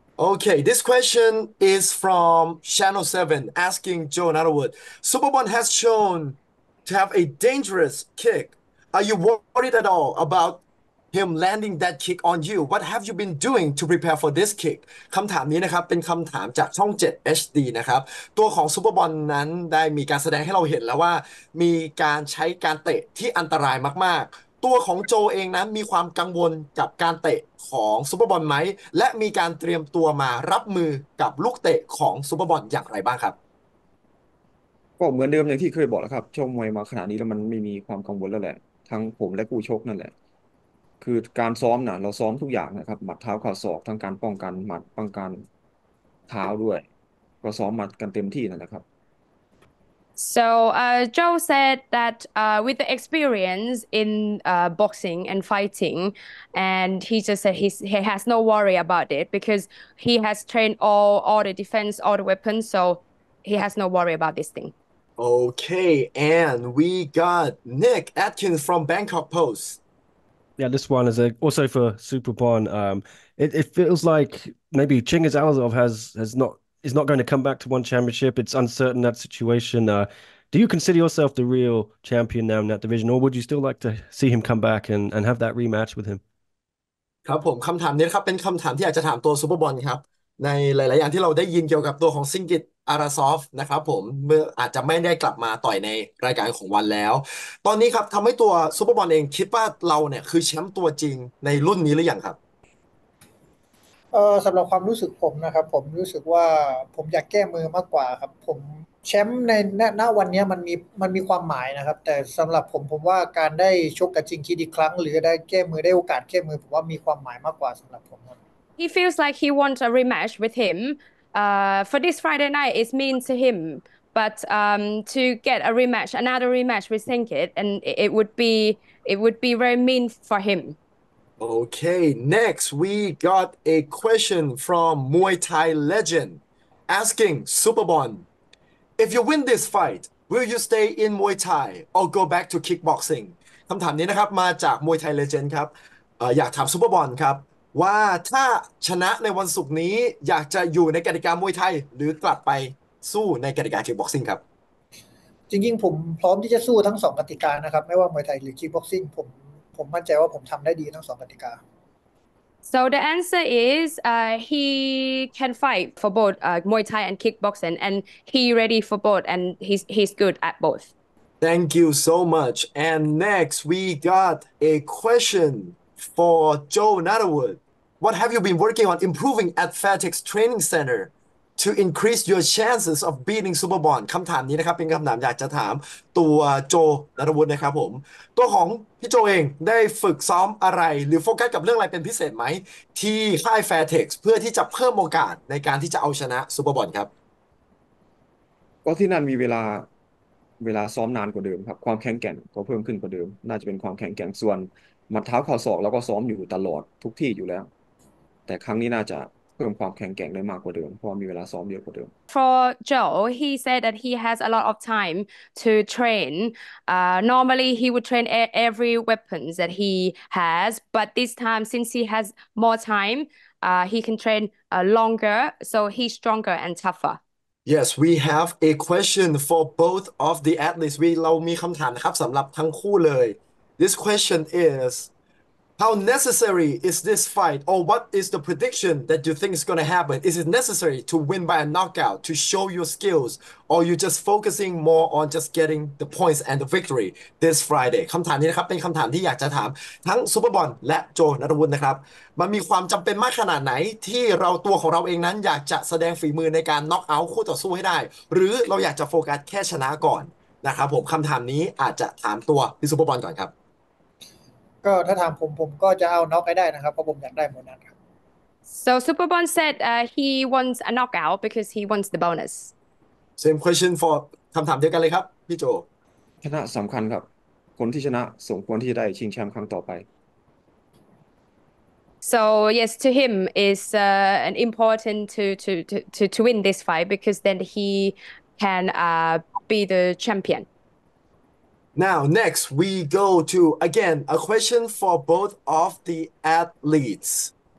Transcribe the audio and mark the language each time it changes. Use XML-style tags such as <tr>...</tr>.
<en>Okay, this question is from Channel 7 asking Joe Nutterwood. Superbon has shown to have a dangerous kick. Are you worried at all about him landing that kick on you? What have you been doing to prepare for this kick?</en> <th>คำถามนี้นะครับเป็นคำถามจากช่อง7 HD นะครับตัวของซูเปอร์บอลนั้นได้มีการแสดงให้เราเห็นแล้วว่ามีการใช้การเตะที่อันตรายมากๆตัวของโจเองนั้นมีความกังวลกับการเตะของซูเปอร์บอลไหมและมีการเตรียมตัวมารับมือกับลูกเตะของซูเปอร์บอลอย่างไรบ้างครับ ก็เหมือนเดิมอย่างที่เคยบอกแล้วครับชกมวยมาขนาดนี้แล้วมันไม่มีความกังวลแล้วแหละทั้งผมและคู่ชกนั่นแหละคือการซ้อมน่ะเราซ้อมทุกอย่างนะครับหมัดเท้าข่าศอกทั้งการป้องกันหมัดป้องกันเท้าด้วยก็ซ้อมมากันเต็มที่นั่นแหละครับ</th> <en>So Joe said that with the experience in boxing and fighting, and he just said he has no worry about it because he has trained all the defense, all the weapons, so he has no worry about this thing. Okay, and we got Nick Atkins from Bangkok Post. Yeah, this one is also for Superbon. It feels like maybe Chingiz Aitmatov is not going to come back to one championship. It's uncertain that situation. Do you consider yourself the real champion now in that division, or would you still like to see him come back and have that rematch with him?</en> <th>ครับผมคำถามนี้ครับเป็นคำถามที่อยากจะถามตัวซูเปอร์บอลครับในหลายๆอย่างที่เราได้ยินเกี่ยวกับตัวของซิงกิตอาราซอฟนะครับผมเมื่ออาจจะไม่ได้กลับมาต่อยในรายการของวันแล้วตอนนี้ครับทำให้ตัวซูเปอร์บอลเองคิดว่าเราเนี่ยคือแชมป์ตัวจริงในรุ่นนี้หรือยังครับ สำหรับความรู้สึกผมนะครับผมรู้สึกว่าผมอยากแก้มือมากกว่าครับผมแชมป์ในณวันนี้มันมีความหมายนะครับแต่สําหรับผมว่าการได้ชกกับจริงคิดอีกครั้งหรือได้แก้มือได้โอกาสแก้มือผมว่ามีความหมายมากกว่าสําหรับผมครับ</th> <en>He feels like he wants a rematch with him for this Friday night it's mean to him but to get a rematch another rematch with Singit and it would be very mean for him Okay, next we got a question from Muay Thai legend asking Superbon, if you win this fight, will you stay in Muay Thai or go back to kickboxing?</en> <th>คำถามนี้นะครับมาจาก Muay Thai legend ครับอยากถาม Superbon ครับว่าถ้าชนะในวันศุกร์นี้อยากจะอยู่ในกติกามวยไทยหรือกลับไปสู้ในกติกา kickboxing ครับ จริงๆผมพร้อมที่จะสู้ทั้งสองกติกานะครับไม่ว่ามวยไทยหรือ kickboxing ผมมั่นใจว่าผมทำได้ดีทั้งสองกติกา</th> <en>So the answer is he can fight for both Muay Thai and kickboxing and he ready for both and he's good at both Thank you so much and next we got a question for Joe Nutterwood What have you been working on improving at Fairtex Training Center to increase your chances of beating Superbon</en> <th>คำถามนี้นะครับเป็นคำถามอยากจะถามตัวโจนรวุฒินะครับผมตัวของพี่โจเองได้ฝึกซ้อมอะไรหรือโฟกัสกับเรื่องอะไรเป็นพิเศษไหมที่ค่าย Fairtex เพื่อที่จะเพิ่มโอกาสในการที่จะเอาชนะ Superbon ครับ ก็ที่นั่นมีเวลาซ้อมนานกว่าเดิมครับความแข็งแกร่งก็เพิ่มขึ้นกว่าเดิมน่าจะเป็นความแข็งแกร่งส่วนหมัดเท้าข่าศอกแล้วก็ซ้อมอยู่ตลอดทุกที่อยู่แล้วแต่ครั้งนี้น่าจะเพิ่มความแข็งแกร่งได้มากกว่าเดิมเพราะมีเวลาซ้อมเยอะกว่าเดิม</th> <en>For Joe, he said that he has a lot of time to train. Normally, he would train every weapons that he has, but this time, since he has more time, he can train longer, so he's stronger and tougher. Yes, we have a question for both of the athletes.</en> <th>เรามีคำถามครับสำหรับทั้งคู่เลย</th> <en>This question is How necessary is this fight, or what is the prediction that you think is going to happen? Is it necessary to win by a knockout to show your skills, or are you just focusing more on just getting the points and the victory this Friday?</en> <th>คำถามนี้นะครับเป็นคำถามที่อยากจะถามทั้งซูเปอร์บอลและโจณัฐวุฒินะครับมันมีความจำเป็นมากขนาดไหนที่เราตัวของเราเองนั้นอยากจะแสดงฝีมือในการน็อกเอาท์คู่ต่อสู้ให้ได้หรือเราอยากจะโฟกัสแค่ชนะก่อนนะครับผมคำถามนี้อาจจะถามตัวพี่ซูเปอร์บอลก่อนครับ ก็ถ้าถามผมก็จะเอาน็อกให้ได้นะครับเพราะผมอยากได้โบนัสครับ</th> <en>So Superbon said he wants a knockout because he wants the bonus. Same question for</en> <th>คำถามเดียวกันเลยครับพี่โจ ชนะสำคัญครับคนที่ชนะสมควรที่จะได้ชิงแชมป์ครั้งต่อไป</th> <en>So yes to him is an important to win this fight because then he can be the champion. Now, next, we go to again a question for both of the athletes.</en>